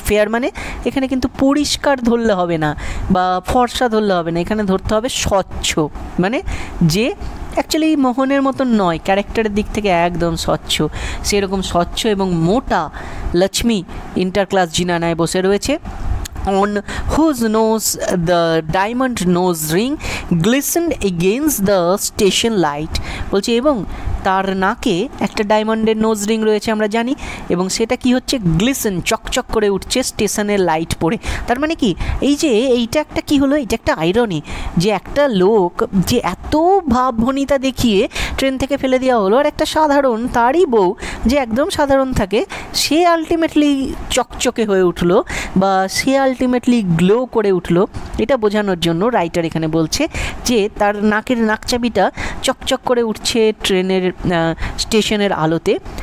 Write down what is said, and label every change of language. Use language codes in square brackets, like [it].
[bn] Fear মানে এখানে কিন্তু পরিষ্কার ধরলে হবে না বা ফর্সা ধরলে হবে না, এখানে ধরতে হবে স্বচ্ছ, মানে যে অ্যাকচুয়ালি মোহনের মতন নয়, ক্যারেক্টারের দিক থেকে একদম স্বচ্ছ, সেরকম স্বচ্ছ এবং মোটা লক্ষ্মী ইন্টার ক্লাস জিনানায় বসে রয়েছে। [en] On whose nose the diamond nose ring glistened against the station light. [bn] বলছে এবং তার নাকে একটা ডায়মন্ডের নোজ রিং রয়েছে আমরা জানি, এবং সেটা কি হচ্ছে, গ্লিসন, চকচক করে উঠছে স্টেশনের লাইট পড়ে। তার মানে কি, এই যে এইটা একটা কি হলো, এইটা একটা আইরনি যে একটা লোক যে এত ভাবভনিতা দেখিয়ে ট্রেন থেকে ফেলে দেওয়া হলো, আর একটা সাধারণ তারই বউ যে একদম সাধারণ থাকে, সে আলটিমেটলি চকচকে হয়ে উঠলো বা সে আলটিমেটলি গ্লো করে উঠলো, এটা বোঝানোর জন্য রাইটার এখানে বলছে যে তার নাকের নাকচাবিটা চকচক করে উঠছে ট্রেনের স্টেশনের আলোতে।